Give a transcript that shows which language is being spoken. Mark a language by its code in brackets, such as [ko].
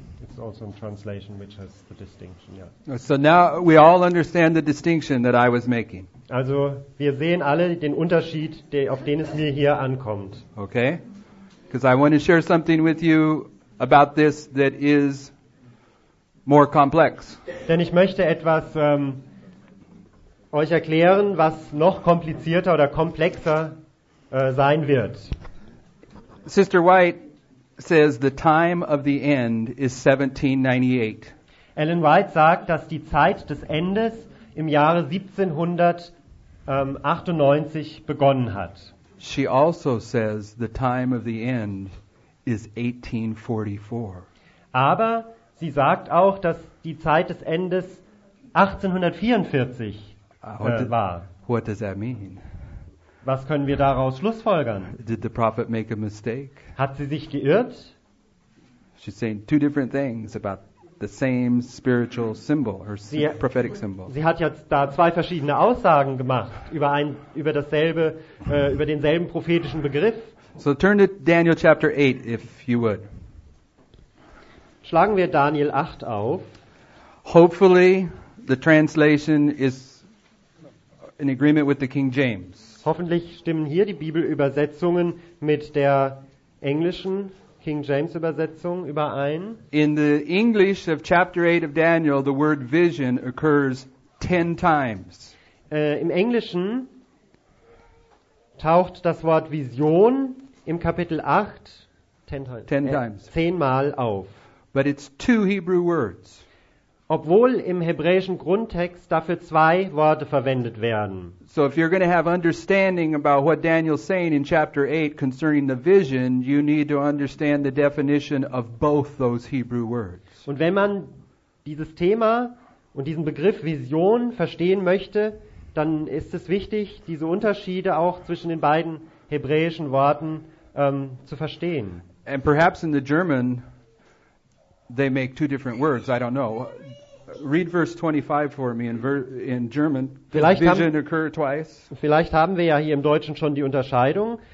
[en] it's also in translation which has the distinction. Yeah. So now we all understand the distinction that I was making. [de] Also, wir sehen alle den Unterschied, auf den es mir hier ankommt. [en] Okay. Because I want to share something with you about this that is more complex. [de] Denn ich möchte etwas euch erklären, was noch komplizierter oder komplexer sein wird. [en] Sister White says the time of the end is 1798. [de] Ellen White sagt, dass die Zeit des Endes im Jahre 1798 begonnen hat. [en] She also says the time of the end is 1844. [de] Aber sie sagt auch, dass die Zeit des Endes 1844 war. [en] What does that mean? [de] Was können wir daraus schlussfolgern? [en] Did the prophet make a mistake? [de] Hat sie sich geirrt? [en] She's saying two different things about the same spiritual symbol or prophetic symbol. [de] Sie hat jetzt da zwei verschiedene Aussagen gemacht über denselben prophetischen Begriff. [en] So turn to Daniel chapter 8 if you would. [de] Schlagen wir Daniel 8 auf. [en] Hopefully the translation is in agreement with the King James. [de] Hoffentlich stimmen hier die Bibelübersetzungen mit der englischen King James Übersetzung überein. [en] In the English of chapter 8 of Daniel, the word vision occurs 10 times. [de] Im Englischen taucht das Wort Vision im Kapitel 8 [en] 10 times [de] auf. [en] But it's two Hebrew words. [de] Obwohl im hebräischen Grundtext dafür zwei Worte verwendet werden. [en] So if you're going to have understanding about what Daniel's saying in chapter 8 concerning the vision, you need to understand the definition of both those Hebrew words. [de] Und wenn man dieses Thema und diesen Begriff Vision verstehen möchte, dann ist es wichtig, diese Unterschiede auch zwischen den beiden hebräischen Worten zu verstehen. [en] And perhaps in the German they make two different words, I don't know. Read verse 25 for me in German. [de] Vielleicht [en] vision occur twice. [de] Vielleicht haben wir ja hier im Deutschen schon die Unterscheidung.